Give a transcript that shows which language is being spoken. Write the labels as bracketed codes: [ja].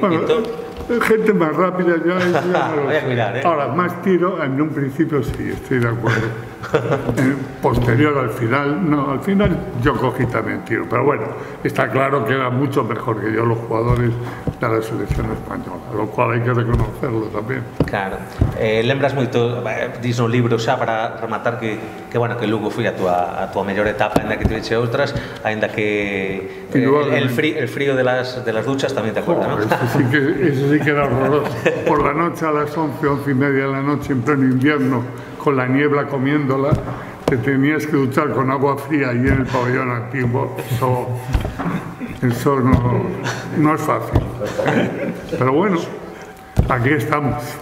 [es] Bueno, gente más rápida ya es. Ahora, más tiro, en un principio sí, estoy de acuerdo. Posterior al final, no, al final yo cogí también tiro, pero bueno, está claro que era mucho mejor que yo los jugadores de la selección española, lo cual hay que reconocerlo también. [gl] Claro, lembras moito, dís no libro xa para rematar que bueno, que Lugo foi a tua mellor etapa, ainda que tuviche outras, ainda que [es] el frío de las duchas [gl] tamén [es] te acuerdas, [gl] ¿no? [es] Eso sí que era horroroso, por la noche a las 11, 11 y media de la noche, en pleno invierno, con la niebla comiéndola, te tenías que duchar con agua fría ahí en el pabellón antiguo. Eso no es fácil. Pero bueno, aquí estamos.